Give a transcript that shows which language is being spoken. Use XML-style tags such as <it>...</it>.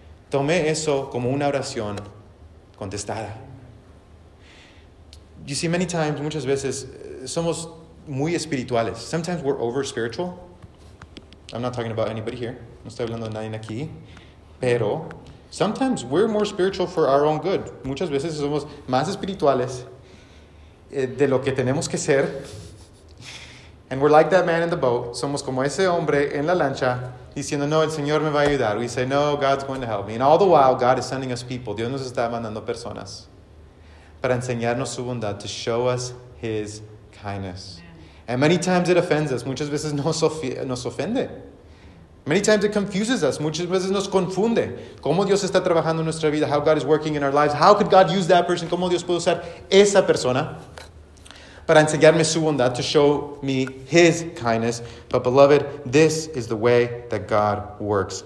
<es>Tomé eso como una oración contestada.</es> <en>You see, many times,</en> <es>muchas veces, somos muy espirituales.</es> <en>Sometimes we're over-spiritual. I'm not talking about anybody here.</en> <es>No estoy hablando de nadie aquí.</es> <en>Pero sometimes we're more spiritual for our own good.</en> <es>Muchas veces somos más espirituales de lo que tenemos que ser.</es> <en>And we're like that man in the boat.</en> <es>Somos como ese hombre en la lancha diciendo, no, el Señor me va a ayudar.</es> <en>We say, no, God's going to help me. And all the while, God is sending us people.</en> <es>Dios nos está mandando personas para enseñarnos su bondad,</es> <en>to show us his kindness.</en> <es>Amen.</es> <en>And many times it offends us.</en> <es>Muchas veces nos ofende.</es> <en>Many times it confuses us.</en> <es>Muchas veces nos confunde. ¿Cómo Dios está trabajando en nuestra vida?</es> <en>How God is working in our lives? How could God use that person?</en> <es>¿Cómo Dios puede usar esa persona para enseñarme su bondad,</es> <en>to show me his kindness? But beloved, this is the way that God works.</en>